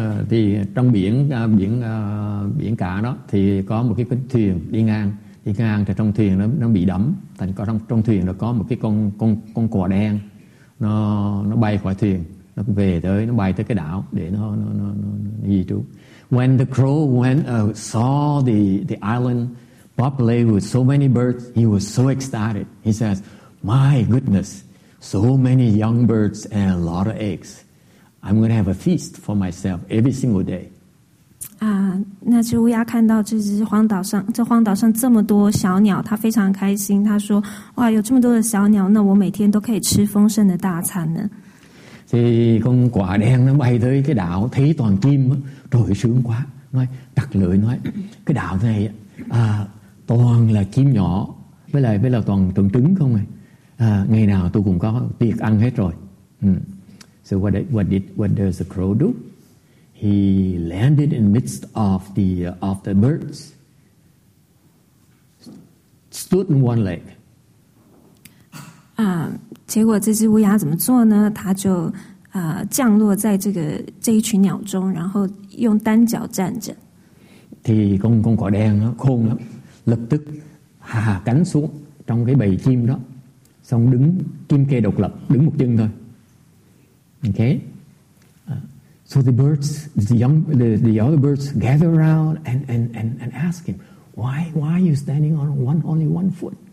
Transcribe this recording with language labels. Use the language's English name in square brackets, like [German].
[Vietnamese] Thì trong biển cả đó thì có một cái thuyền đi ngang thì trong thuyền nó bị đắm, thành có trong thuyền nó có một cái con cò đen, nó bay khỏi thuyền, nó về tới, nó bay tới cái đảo để nó di trú. [English] When the crow saw the island populated with so many birds, he was so excited. He says, "My goodness, so many young birds and a lot of eggs. I'm going to have a feast for myself every single day." [Chinese] 那只乌鸦看到这荒岛上这么多小鸟，他非常开心。他说：“哇，有这么多的小鸟，那我每天都可以吃丰盛的大餐呢。” [Vietnamese] thì con quả đen nó bay tới cái đảo, thấy toàn chim, trời sướng quá, nói đặt lưỡi nói cái đảo này toàn là chim nhỏ với lại toàn trứng không này, ngày nào tôi cũng có tiệc ăn hết rồi. [English] So what does the crow do? He landed in the midst of the birds, stood on one leg. [Chinese] 结果这只乌鸦怎么做呢？它就降落在这一群鸟中，然后用单脚站着。 [Vietnamese] Thì con cò đen nó khôn lắm, lập tức hạ cánh xuống trong cái bầy chim đó, xong đứng chim kê độc lập, đứng một chân thôi. [English] Okay, so the birds, the other birds gather around and ask him, why are you standing on only one foot?